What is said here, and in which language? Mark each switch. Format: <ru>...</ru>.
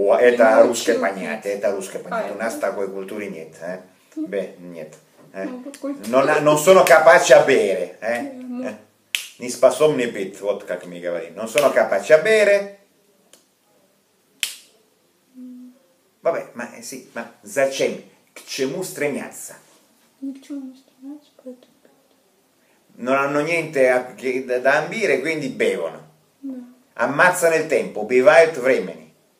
<ru>Это русское понятие, это русское понятие. У нас такой культуры нет. Нет.</ru> <it>Non sono capace a bere.</it> <ru>Не способны пить, вот как мы говорим.</ru> <it>Non sono capace a bere. Vabbè, ma sì, ma</it> <ru>зачем? К чему стремятся? Ni к чему не стремятся, поэтому...</ru> <it>Non hanno niente da ambire, quindi bevono. Ammazzano il tempo,</it> <ru>убивают времени.</ru>